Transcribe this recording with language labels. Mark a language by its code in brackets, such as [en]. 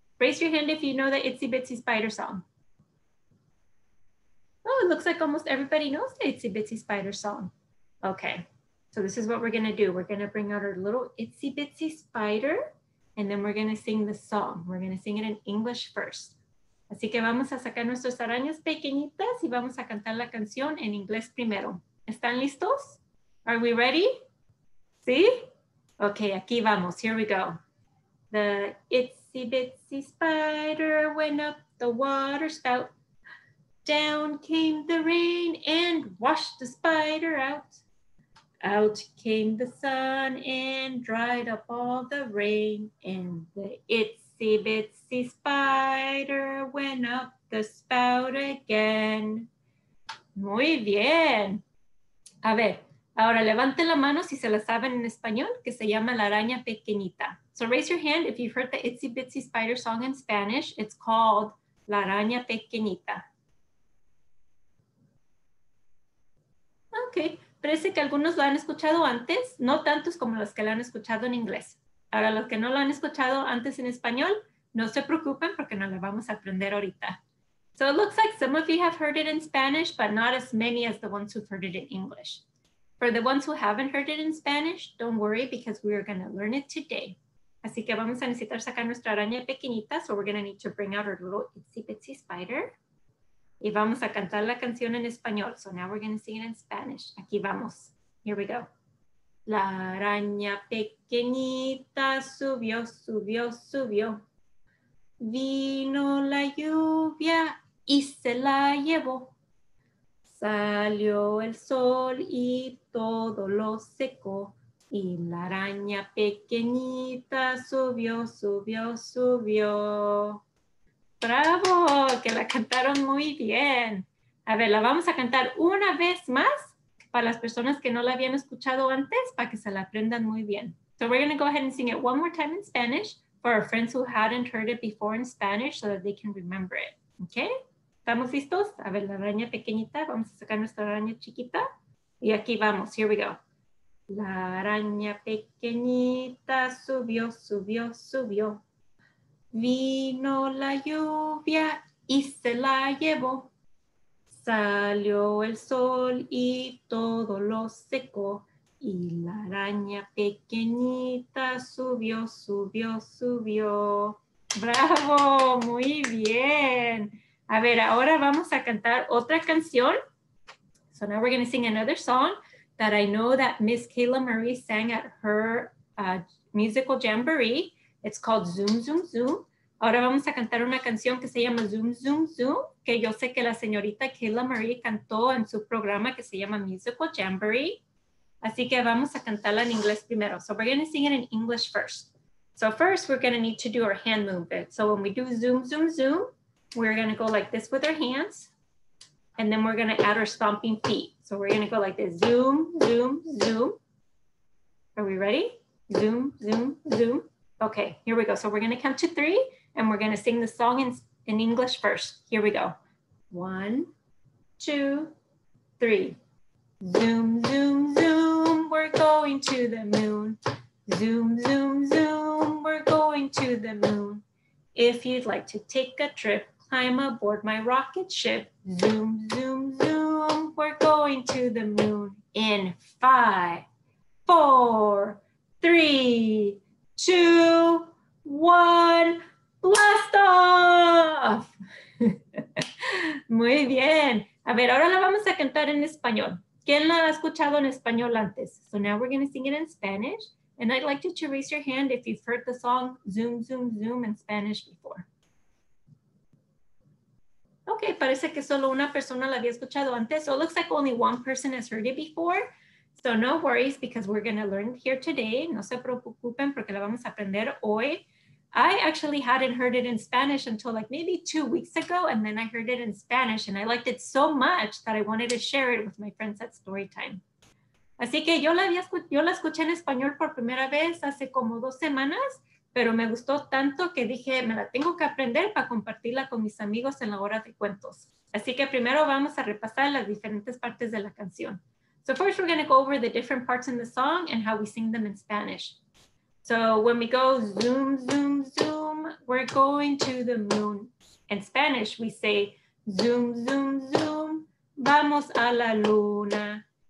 [en] Raise your hand if you know the itsy bitsy spider song. Oh, it looks like almost everybody knows the itsy bitsy spider song. Okay, so this is what we're gonna do. We're gonna bring out our little itsy bitsy spider and then we're gonna sing the song. We're gonna sing it in English first. [es] Así que vamos a sacar nuestras arañas pequeñitas y vamos a cantar la canción en inglés primero. ¿Están listos? [en] Are we ready? [es] ¿Sí? [en] Okay, [es] aquí vamos. [en] Here we go. The itsy bitsy spider went up the water spout. Down came the rain and washed the spider out. Out came the sun and dried up all the rain. And the itsy bitsy spider went up the spout again. [es] Muy bien. A ver, ahora levanten la mano si se la saben en español, que se llama la araña pequeñita. [en] So raise your hand if you've heard the Itsy Bitsy Spider song in Spanish. It's called La Araña Pequeñita. [es] Okay, parece que algunos la han escuchado antes, no tantos como los que la han escuchado en inglés. Ahora, los que no la han escuchado antes en español, no se preocupen porque no la vamos a aprender ahorita. [en] So it looks like some of you have heard it in Spanish, but not as many as the ones who've heard it in English. For the ones who haven't heard it in Spanish, don't worry because we are going to learn it today. [es] Así que vamos a necesitar sacar nuestra araña pequeñita, [en] so we're going to need to bring out our little itsy bitsy spider. [es] Y vamos a cantar la canción en español, [en] so now we're going to sing it in Spanish. [es] Aquí vamos. [en] Here we go. [es] La araña pequeñita subió, subió, subió. Vino la lluvia y se la llevó. Salió el sol y todo lo secó. Y la araña pequeñita subió, subió, subió. ¡Bravo! Que la cantaron muy bien. A ver, la vamos a cantar una vez más para las personas que no la habían escuchado antes, para que se la aprendan muy bien. [en] So we're going to go ahead and sing it one more time in Spanish for our friends who hadn't heard it before in Spanish so that they can remember it, okay? [es] ¿Estamos listos? A ver, la araña pequeñita, vamos a sacar nuestra araña chiquita. Y aquí vamos, [en] here we go. [es] La araña pequeñita subió, subió, subió. Vino la lluvia y se la llevó. Salió el sol y todo lo secó. Y la araña pequeñita subió, subió, subió. ¡Bravo! ¡Muy bien! A ver, ahora vamos a cantar otra canción. So [en] So now we're going to sing another song that I know that Miss Kayla Marie sang at her musical Jamboree. It's called Zoom, Zoom, Zoom. [es] Ahora vamos a cantar una canción que se llama Zoom, Zoom, Zoom, que yo sé que la señorita Kayla Marie cantó en su programa que se llama Musical Jamboree. Así que vamos a cantarla en inglés primero. [en] So we're going to sing it in English first. So first, we're going to need to do our hand movement. So when we do Zoom, Zoom, Zoom, we're going to go like this with our hands. And then we're going to add our stomping feet. So we're going to go like this. Zoom, Zoom, Zoom. Are we ready? Zoom, Zoom, Zoom. Okay, here we go. So we're going to count to three and we're going to sing the song in English first. Here we go. One, two, three. Zoom, zoom, zoom, we're going to the moon. Zoom, zoom, zoom, we're going to the moon. If you'd like to take a trip, climb aboard my rocket ship. Zoom, zoom, zoom, we're going to the moon. In five, four, three, two, one, blast off. [es] Muy bien. A ver, ahora la vamos a cantar en español. ¿Quién la ha escuchado en español antes? [en] So now we're going to sing it in Spanish. And I'd like you to raise your hand if you've heard the song Zoom, Zoom, Zoom in Spanish before. [es] Okay, parece que solo una persona la había escuchado antes. [en] So it looks like only one person has heard it before. So no worries, because we're going to learn here today. [es] No se preocupen porque la vamos a aprender hoy. [en] I actually hadn't heard it in Spanish until like maybe 2 weeks ago. And then I heard it in Spanish and I liked it so much that I wanted to share it with my friends at Storytime. [es] Así que yo la escuché en español por primera vez hace como 2 semanas, pero me gustó tanto que dije, me la tengo que aprender para compartirla con mis amigos en la hora de cuentos. Así que primero vamos a repasar las diferentes partes de la canción. [en] So first we're going to go over the different parts in the song and how we sing them in Spanish. So when we go zoom, zoom, zoom, we're going to the moon. In Spanish, we say zoom, zoom, zoom, [es] vamos a la luna.